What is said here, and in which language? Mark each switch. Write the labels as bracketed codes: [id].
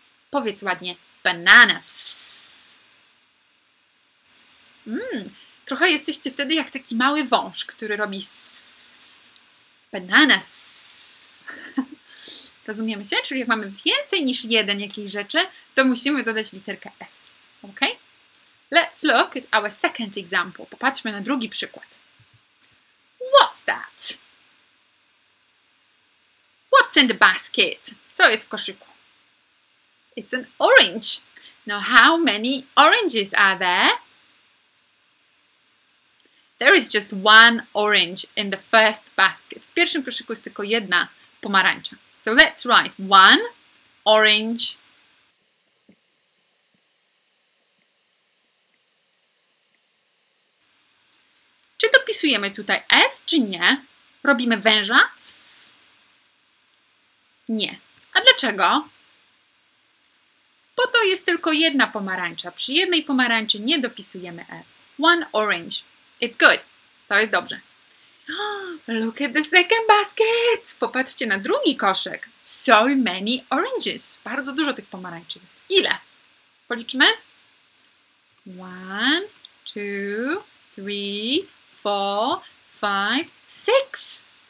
[pl] Powiedz ładnie, bananas. Trochę jesteście wtedy jak taki mały wąż, który robi s. Bananas. Rozumiemy się? Czyli jak mamy więcej niż jeden jakiejś rzeczy, to musimy dodać literkę S. Ok? [en] Let's look at our second example. [pl] Popatrzmy na drugi przykład. [en] What's that? What's in the basket? [pl] Co jest w koszyku? [en] It's an orange. Now how many oranges are there? There is just one orange in the first basket. [pl] W pierwszym koszyku jest tylko jedna pomarańcza. [en] So let's write one orange. [pl] Czy dopisujemy tutaj S, czy nie? Robimy węża? S. Nie. A dlaczego? Bo to jest tylko jedna pomarańcza. Przy jednej pomarańczy nie dopisujemy S. [en] One orange. It's good. [pl] To jest dobrze. [en] Look at the second basket. [pl] Popatrzcie na drugi koszyk. [en] So many oranges. [pl] Bardzo dużo tych pomarańczy jest. Ile? Policzmy. [en] One, two, three, four, five, six.